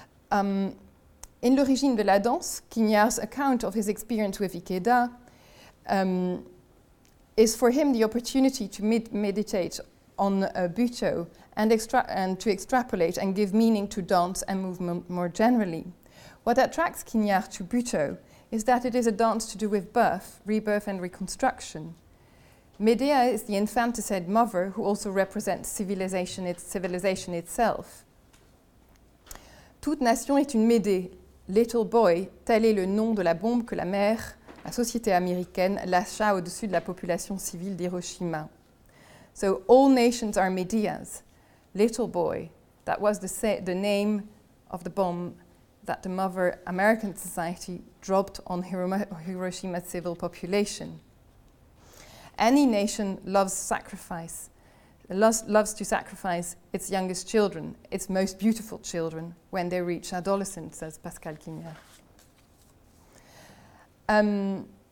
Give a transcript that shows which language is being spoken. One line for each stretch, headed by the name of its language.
English: In L'Origine de la Danse, Quignard's account of his experience with Ikeda is for him the opportunity to meditate on Buteau and to extrapolate and give meaning to dance and movement more generally. What attracts Quignard to Buteau is that it is a dance to do with birth, rebirth and reconstruction. Medea is the infanticide mother who also represents civilization itself.
French: Toute nation est une Médée, little boy, tel est le nom de la bombe que la mère, la société américaine, lâcha au-dessus de la population civile d'Hiroshima.
English: So all nations are Medeas, little boy, that was the name of the bomb that the mother American society dropped on Hiroshima's civil population. Any nation loves to sacrifice its youngest children, its most beautiful children, when they reach adolescence, says Pascal Quignard.